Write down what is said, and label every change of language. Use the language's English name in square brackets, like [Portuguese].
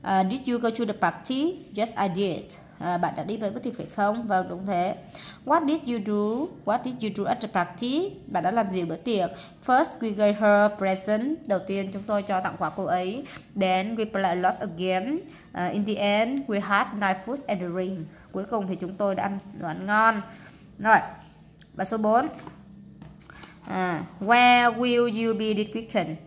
[English] Did you go to the party? Yes, I did. [Vietnamese] Bạn đã đi với bữa tiệc phải không? Vâng, đúng thế. [English] What did you do? What did you do at the party? [Vietnamese] Bạn đã làm gì bữa tiệc? [English] First, we gave her a present. [Vietnamese] Đầu tiên, chúng tôi cho tặng quà cô ấy. [English] Then, we played a lot of games. In the end, we had nice food and a drink. [Vietnamese] Cuối cùng thì chúng tôi đã ăn đồ ăn ngon. Rồi, bài số 4. [English] Where will you be this weekend?